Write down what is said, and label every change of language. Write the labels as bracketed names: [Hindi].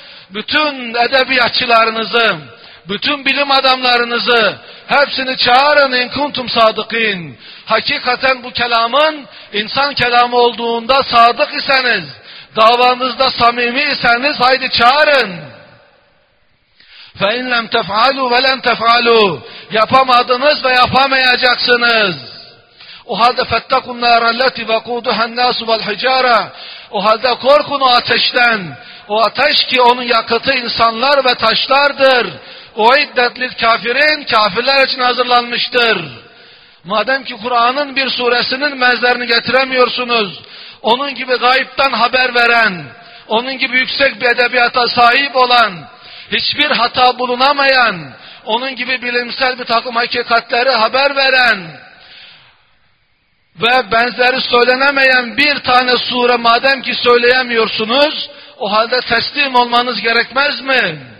[Turkish] Bütün edebiyatçılarınızı, bütün bilim adamlarınızı, hepsini çağırın in kuntum sadıkîn. Hakikaten bu kelamın insan kelamı olduğunda sadık iseniz, davanızda samimi iseniz haydi çağırın. [Arabic] فَاِنْ لَمْ تَفْعَلُوا وَلَمْ تَفْعَلُوا [Turkish] Yapamadınız ve yapamayacaksınız. O halde [Arabic] فَتَّقُوا النَّارَ اللَّتِ وَقُودُهَا النَّاسُ وَالْحِجَارَةِ [Turkish] O halde korkun o ateşten. O ateş ki onun yakıtı insanlar ve taşlardır. O iddet lil kafirin kafirler için hazırlanmıştır. Madem ki Kur'an'ın bir suresinin benzerini getiremiyorsunuz, onun gibi gayipten haber veren, onun gibi yüksek bir edebiyata sahip olan, hiçbir hata bulunamayan, onun gibi bilimsel bir takım hakikatleri haber veren ve benzeri söylenemeyen bir tane sure madem ki söyleyemiyorsunuz, o halde teslim olmanız gerekmez mi?